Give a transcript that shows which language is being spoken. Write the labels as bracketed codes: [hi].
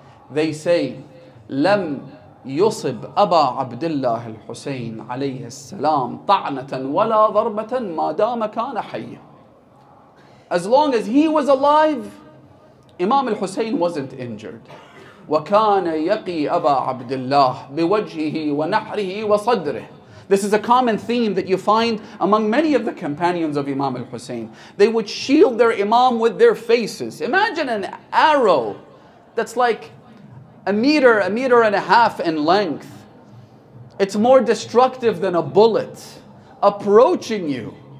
[en] They say, [ar] "Lam يصب أبا عبد الله الحسين عليه السلام طعنة ولا ضربة ما دام كان حيا." [en] As long as he was alive, Imam al-Husayn wasn't injured. [ar] وكان يقي أبا عبد الله بوجهه ونحره وصدره. [en] This is a common theme that you find among many of the companions of Imam al-Husayn. They would shield their imam with their faces. Imagine an arrow that's like a meter and a half in length. It's more destructive than a bullet approaching you.